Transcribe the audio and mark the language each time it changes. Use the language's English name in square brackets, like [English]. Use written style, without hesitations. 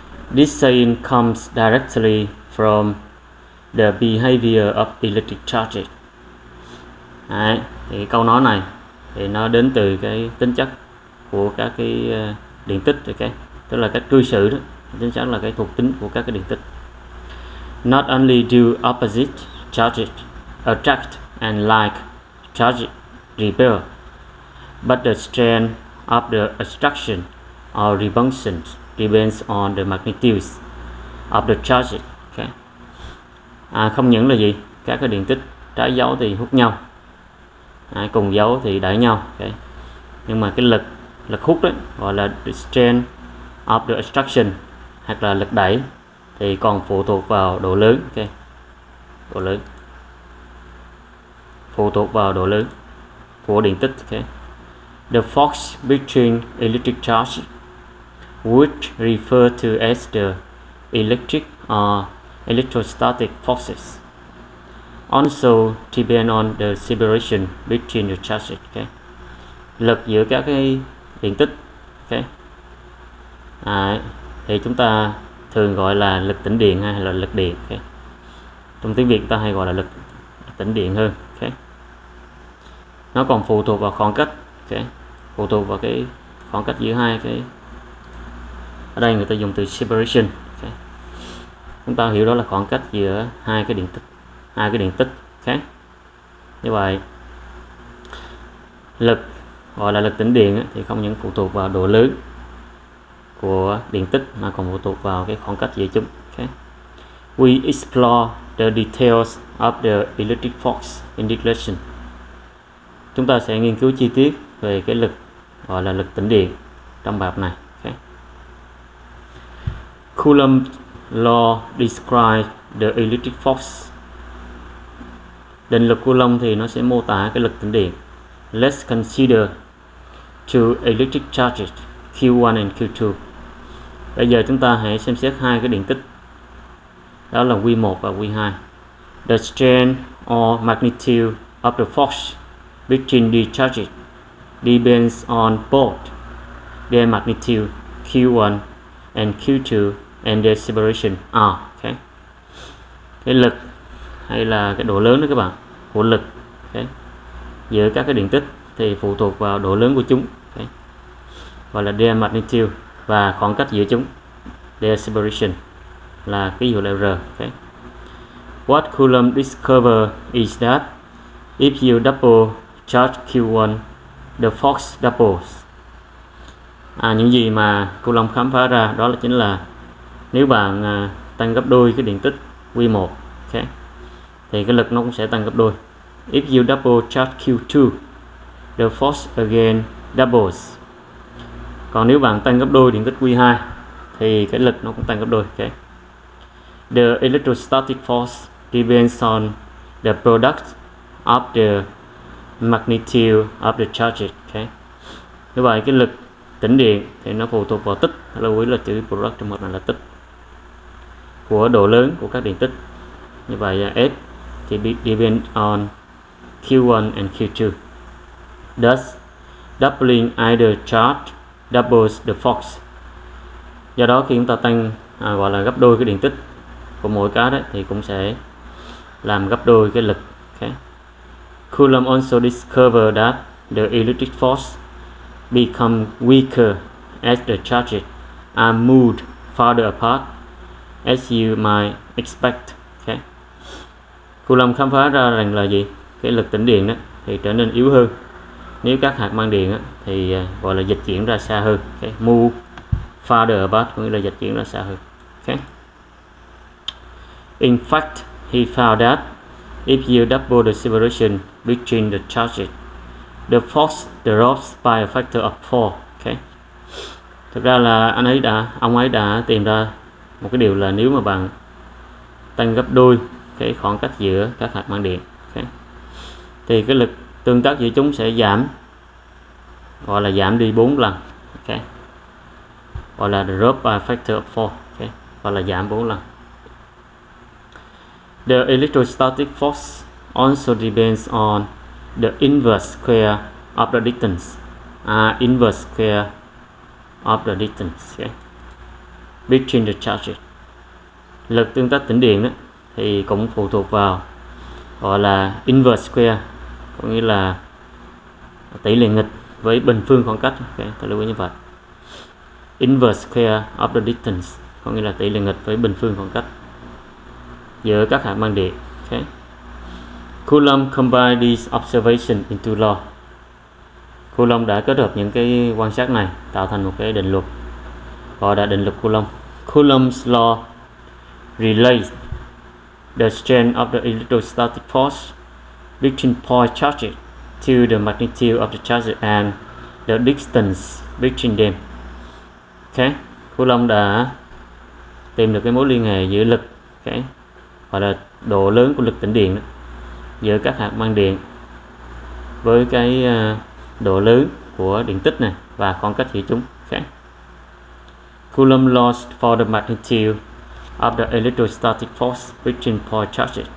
[English] This saying comes directly from the behavior of electric charges. [Vietnamese] Đấy, thì câu nói này thì nó đến từ cái tính chất của các cái điện tích, okay? Tức là cách cư xử đó, tính chất là cái thuộc tính của các cái điện tích. [English] Not only do opposite charges attract and like charges repel, but the strength of the attraction or repulsion depends on the magnitudes of the charges. Okay. [Vietnamese] À, không những là gì, các cái điện tích trái dấu thì hút nhau, cùng dấu thì đẩy nhau. Okay. Nhưng mà cái lực hút đấy gọi là [English] the strength of the attraction [Vietnamese] hoặc là lực đẩy thì còn phụ thuộc vào độ lớn. Okay. Độ lớn phụ thuộc vào độ lớn của điện tích. [English] Okay. The force between electric charges, which refer to as the electric or electrostatic forces, also depend on the separation between the charges. Okay. [Vietnamese] Lực giữa các cái điện tích, okay. À, thì chúng ta thường gọi là lực tĩnh điện hay là lực điện. Okay. Trong tiếng Việt ta hay gọi là lực tĩnh điện hơn. Okay. Nó còn phụ thuộc vào khoảng cách. Okay. Phụ thuộc vào cái khoảng cách giữa hai cái. Ở đây người ta dùng từ separation. Okay. Chúng ta hiểu đó là khoảng cách giữa hai cái điện tích khác. Okay. Như vậy lực gọi là lực tĩnh điện thì không những phụ thuộc vào độ lớn của điện tích mà còn phụ thuộc vào cái khoảng cách giữa chúng. [English] Okay. We explore the details of the electric force in this lesson. [Vietnamese] Chúng ta sẽ nghiên cứu chi tiết về cái lực gọi là lực tĩnh điện trong bài học này. [English] Coulomb's law describes the electric force. [Vietnamese] Định luật Coulomb thì nó sẽ mô tả cái lực tĩnh điện. [English] Let's consider two electric charges, Q1 and Q2. [Vietnamese] Bây giờ chúng ta hãy xem xét hai cái điện tích. Đó là Q1 và Q2. [English] The strength or magnitude of the force between the charges depends on both their magnitude, Q1 and Q2. And the separation R. Okay. [Vietnamese] Cái lực hay là cái độ lớn đó các bạn, của lực, okay, giữa các cái điện tích thì phụ thuộc vào độ lớn của chúng, okay, gọi là [English] their magnitude, [Vietnamese] và khoảng cách giữa chúng, [English] their separation, [Vietnamese] là ký hiệu là R. [English] Okay. What Coulomb discover is that if you double charge Q1, the force doubles. [Vietnamese] À, những gì mà Coulomb khám phá ra đó là chính là nếu bạn tăng gấp đôi cái điện tích Q1, okay, thì cái lực nó cũng sẽ tăng gấp đôi. [English] If you double charge Q2, the force again doubles. [Vietnamese] Còn nếu bạn tăng gấp đôi điện tích Q2, thì cái lực nó cũng tăng gấp đôi. [English] Okay. The electrostatic force depends on the product of the magnitude of the charges. Okay. [Vietnamese] Như vậy cái lực tĩnh điện thì nó phụ thuộc vào tích, lưu ý là chữ product trong một này là tích, của độ lớn của các điện tích. Như vậy F thì [English] depend on Q1 and Q2. Thus, doubling either charge doubles the force. [Vietnamese] Do đó khi chúng ta tăng gọi là gấp đôi cái điện tích của mỗi cái đấy thì cũng sẽ làm gấp đôi cái lực. [English] Okay. Coulomb also discover that the electric force become weaker as the charges are moved farther apart, as you might expect. Okay. [Vietnamese] Coulomb khám phá ra rằng là gì? Cái lực tĩnh điện đó thì trở nên yếu hơn nếu các hạt mang điện đó, thì gọi là dịch chuyển ra xa hơn. Okay. [English] Move farther apart [Vietnamese] có nghĩa là dịch chuyển ra xa hơn. [English] Okay. In fact, he found that if you double the separation between the charges, The force drops by a factor of 4. Okay. [Vietnamese] Thực ra là ông ấy đã tìm ra một cái điều là nếu mà bạn tăng gấp đôi cái khoảng cách giữa các hạt mang điện, okay, thì cái lực tương tác giữa chúng sẽ giảm, gọi là giảm đi 4 lần. Okay. Gọi là [English] drop by a factor of 4. [Vietnamese] Okay. Gọi là giảm 4 lần. [English] The electrostatic force also depends on the inverse square of the distance. Inverse square of the distance, okay, between the charges. [Vietnamese] Lực tương tác tĩnh điện đó, thì cũng phụ thuộc vào gọi là [English] inverse square, [Vietnamese] có nghĩa là tỷ lệ nghịch với bình phương khoảng cách. Okay, ta lưu ý như vậy. [English] Inverse square of the distance [Vietnamese] có nghĩa là tỷ lệ nghịch với bình phương khoảng cách giữa các hạt mang điện. Okay. [English] Coulomb combined these observations into law. [Vietnamese] Coulomb đã kết hợp những cái quan sát này tạo thành một cái định luật, gọi là định luật Coulomb. [English] Coulomb's law relates the strength of the electrostatic force between point charges to the magnitude of the charges and the distance between them. Okay. [Vietnamese] Coulomb đã tìm được cái mối liên hệ giữa lực, okay, gọi là độ lớn của lực tĩnh điện đó, giữa các hạt mang điện với cái độ lớn của điện tích này và khoảng cách giữa chúng. [English] Okay. Coulomb's law for the magnitude of the electrostatic force between point charges.